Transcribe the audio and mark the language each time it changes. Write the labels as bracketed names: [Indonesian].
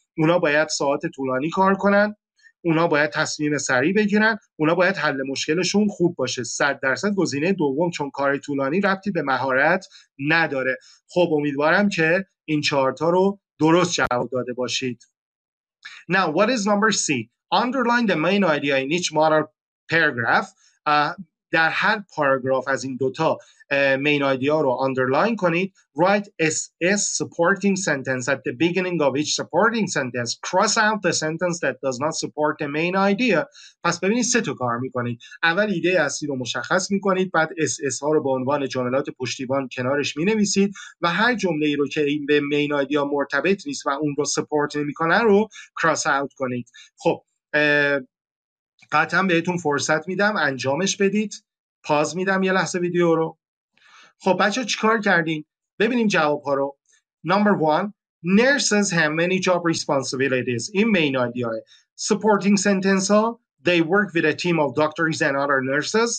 [Persian] اونا باید ساعت طولانی کار کنن، اونا باید تصمیم سریع بگیرن، اونا باید حل مشکلشون خوب باشه. 100% گزینه دوم، چون کار طولانی ربطی به مهارت نداره. خب امیدوارم که این چهارتا رو درست جواب داده باشید. [English] Now what is number C? Underline the main idea in each model paragraph. [Persian] در هر پاراگراف از این دوتا مین آیدیا رو اندرلاین کنید. [English] Write SS supporting sentence at the beginning of each supporting sentence. Cross out the sentence that does not support the main idea. [Persian] پس ببینید سه تا کار میکنید. اول ایده اصلی رو مشخص میکنید. بعد SS ها رو به عنوان جملات پشتیبان کنارش مینویسید. و هر جمله ای رو که این به مین آیدیا مرتبط نیست و اون رو سپورت نمیکنه رو کراس اوت کنید. خب، قطعا بهتون فرصت میدم انجامش بدید. پاز میدم یه لحظه ویدیو رو. خب بچه ها چیکار کردین؟ ببینیم جواب ها رو. [English] Number one, nurses have many job responsibilities. این main idea. Supporting sentence ها, they work with a team of doctors and other nurses.